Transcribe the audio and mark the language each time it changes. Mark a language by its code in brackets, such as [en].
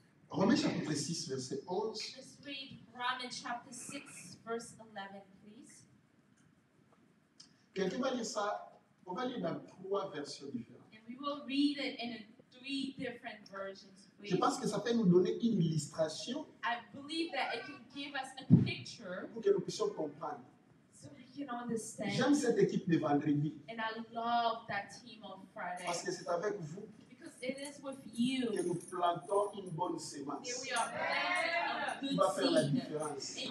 [fr] Romains chapitre 6, verset 11. [en] Let's read Romans chapter 6, verse 11, please. [fr] Quelqu'un va lire ça. On va lire dans trois versions différentes. [en] And we will read it in three different versions, please. [fr] Je pense que ça peut nous donner une illustration. [en] I believe that it can give us a picture. [fr] Pour que nous puissions comprendre. [en] So we can understand. [fr] J'aime cette équipe de vendredi. [en] And I love that team on Friday. [fr] Parce que c'est avec vous. [en] It is with you [fr] que nous plantons une bonne semence. [en] Here we are planting a good seed.